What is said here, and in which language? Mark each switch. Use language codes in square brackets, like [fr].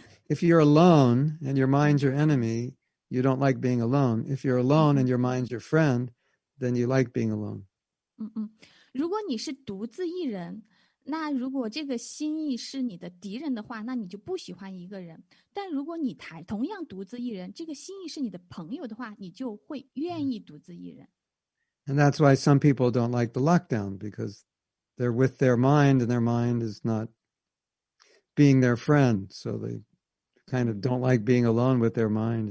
[en] If you're alone and your mind's your enemy, you don't like being alone. If you're alone and your mind's your friend, then you like being alone. [zh] 如果你是独自一人，那如果这个心意是你的敌人的话，那你就不喜欢一个人。但如果你同样独自一人，这个心意是你的朋友的话，你就会愿意独自一人。And [en] that's why some people don't like the lockdown, because they're with their mind and their mind is not being their friend. So they kind of don't like being alone with their mind.